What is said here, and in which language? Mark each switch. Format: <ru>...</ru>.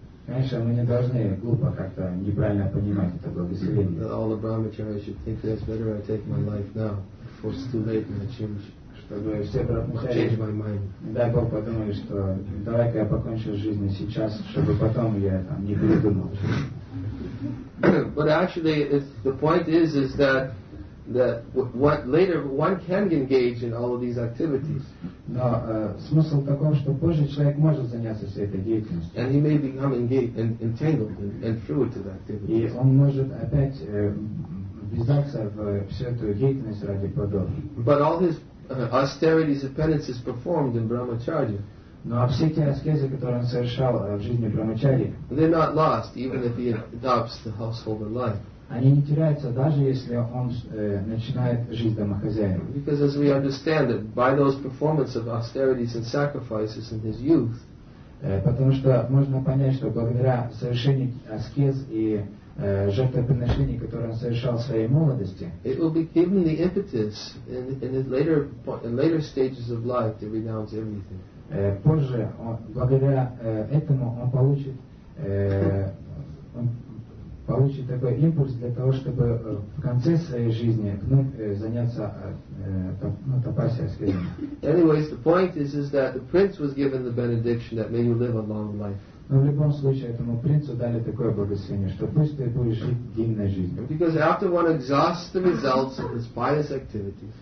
<ru>Конечно, мы не должны глупо как-то неправильно понимать это благословение.</ru> <en>That all the brahmacharis should think that it's better I take my life now before it's too late and I change.</en> <ru>Дай Бог подумай, что давай-ка я покончу жизнь сейчас, чтобы потом я там не передумал.</ru> <en>But actually, the point is that what later one can engage in all of these activities.</en> <ru>Но смысл таков, что позже человек может заняться всей этой деятельностью.</ru> <en>And he may become engaged and entangled and fruited activity.</en> <ru>И он может опять ввязаться в всю эту деятельность ради плодов.</ru> <en>But all his austerities and penances performed in brahmacharya.</en> <ru>Но все те аскезы, которые он совершал в жизни брамачарья,</ru> <en>they're not lost, even if he adopts the householder life.</en> <ru>Они не теряются, даже если он начинает жить домохозяином.</ru> <en>Because as we understand that by those performance of austerities and sacrifices in his youth,</en> <ru>потому что можно понять, что благодаря совершению аскез и жертвоприношений, которые он совершал в своей молодости,</ru> <en>it will be given the impetus in later stages of life to renounce everything.</en> <ru>Позже, благодаря этому, он получит такой импульс для того, чтобы в конце своей жизни заняться тапасья, скажем.</ru> <en>Anyways, the point is that the prince was given the benediction that may you live a long life.</en> <ru>Но в любом случае этому принцу дали такое благословение, что пусть ты будешь жить длинной жизнью.</ru> <en>Because after one exhausts the results of his pious activities.</en>